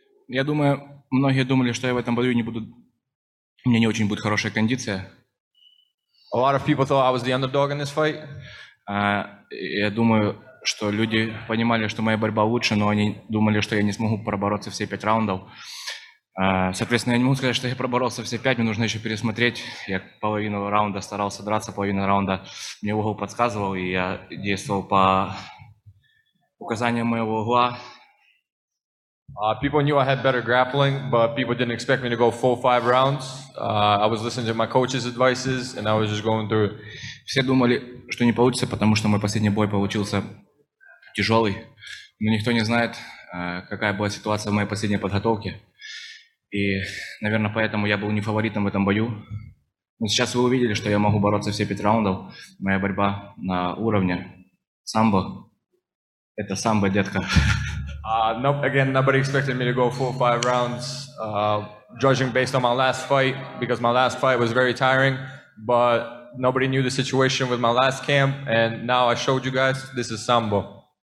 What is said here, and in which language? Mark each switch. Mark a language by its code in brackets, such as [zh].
[ru] Я думаю, многие думали, что я в этом бою не буду, у меня не очень будет хорошая кондиция. [en] A lot of people thought I was the underdog in this fight. [ru] Я думаю, что люди понимали, что моя борьба лучше, но они думали, что я не смогу пробороться все пять раундов. Соответственно, я не могу сказать, что я проборолся все пять, мне нужно еще пересмотреть. Я половину раунда старался драться, половину раунда мне угол подсказывал, и я действовал по указаниям моего угла. [en] People knew I had better grappling, but people didn't expect me to go full five rounds. I was listening to my coach's advices, and I was just going through it. [ru] Все думали, что не получится, потому что мой последний бой получился тяжелый. Но никто не знает, какая была ситуация в моей последней подготовке. И, наверное, поэтому я был не фаворитом в этом бою. Но сейчас вы увидели, что я могу бороться все пять раундов. Моя борьба на уровне самбо. Это самбо, детка. [en] Again, nobody expected me to go full five rounds, judging based on my last fight, because my last fight was very tiring, but nobody knew the situation with my last camp, and now I showed you guys, this is Sambo.